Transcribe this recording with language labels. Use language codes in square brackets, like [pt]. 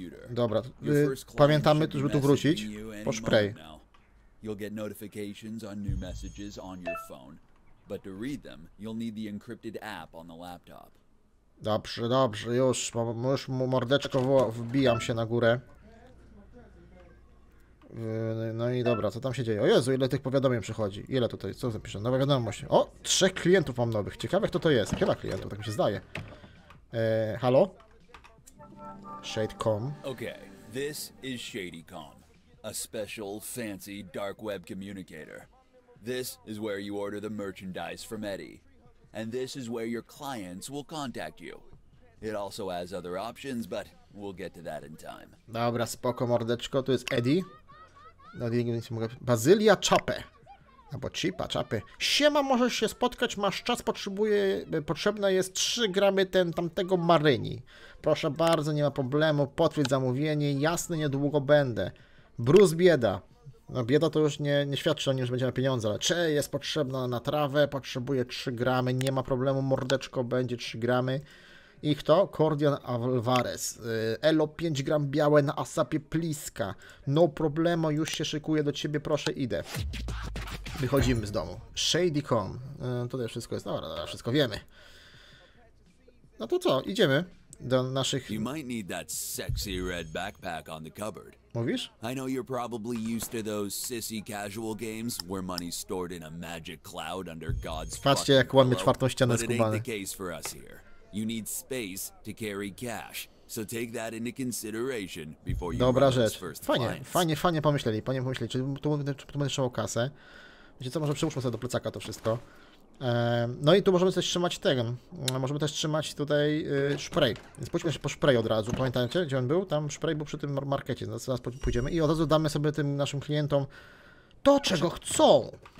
[pl] Dobra, pamiętamy, żeby tu wrócić. Po spray. [en] You'll get notifications on new messages on your phone. But to read them, you'll need the encrypted app on the laptop. [pl] Dobrze, dobrze, już mordeczko wbijam się na górę. No i dobra, co tam się dzieje? O Jezu, ile tych powiadomień przychodzi? Ile tutaj? Co zapiszę? Nowa wiadomość. O, 3 klientów mam nowych. Ciekawe, kto to jest. Chyba klientów, tak mi się zdaje. Halo? Shade.com. [en] Okay, this is Shady.com. A special, fancy, dark web communicator. This is where you order the merchandise from Eddie. And this is where your clients will contact you. It also has other options, but we'll get to that in time. [pl] Dobra, spoko mordeczko, to jest Eddie. No, nie mogę... Bazylia Chape. Albo Chipa Chape. Siema, możesz się spotkać, masz czas, potrzebne jest 3 gramy ten tamtego maryni. Proszę bardzo, nie ma problemu, potwierdź zamówienie, jasne, niedługo będę. Bruce Bieda. No bieda to już nie świadczy o nim, że będzie miał pieniądze, ale czy jest potrzebna na trawę, potrzebuje 3 gramy, nie ma problemu, mordeczko, będzie 3 gramy. I kto? Cordian Alvarez. Elo 5 gram białe na asapie pliska. No problemo, już się szykuję do ciebie, proszę, idę. Wychodzimy z domu. Shady.com. Tutaj wszystko jest, dobra, dobra, wszystko wiemy. No to co, idziemy do naszych... [en] You might need that sexy red backpack on the cupboard. [pl] Mówisz? [en] I know you're probably used to those sissy casual games where money's stored in a magic cloud under God's fucking pillow. [pl] Patrzcie, jak łamie czwartą ścianę skubany. [en] But it ain't the case for us here. You need space to carry cash. So take that into consideration before you run those first clients. [pl] Dobra rzecz. Fajnie pomyśleli. Panie pomyśleli, czy tu będę trzymał kasę. Wiecie co, może przyłóżmy sobie do plecaka to wszystko. No i tu możemy też trzymać ten. Możemy też trzymać tutaj spray. Więc pójdźmy się po spray od razu. Pamiętajcie, gdzie on był? Tam spray był przy tym markecie. Zaraz pójdziemy i od razu damy sobie tym naszym klientom to, czego chcą.